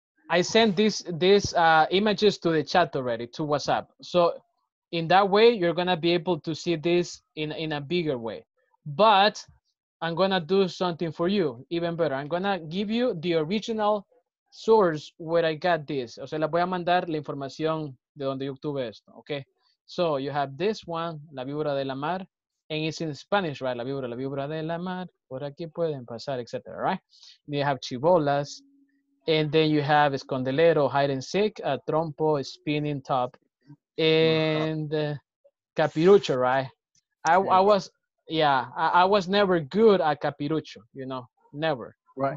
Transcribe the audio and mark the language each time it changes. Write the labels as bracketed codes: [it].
[en] I sent these images to the chat already, to WhatsApp. So in that way, you're going to be able to see this in a bigger way. But I'm going to do something for you, even better. I'm going to give you the original source where I got this. [es] O sea, la voy a mandar la información de donde yo obtuve esto, okay? [en] So you have this one, La Víbora de la Mar, and it's in Spanish, right? [es] La Víbora de la Mar, por aquí pueden pasar, etc., right? [en] And you have chibolas, and then you have [es] escondelero, hide [en] and seek, a trompo, a spinning top, and capirucho, right? I was never good at capirucho, you know, never. Right.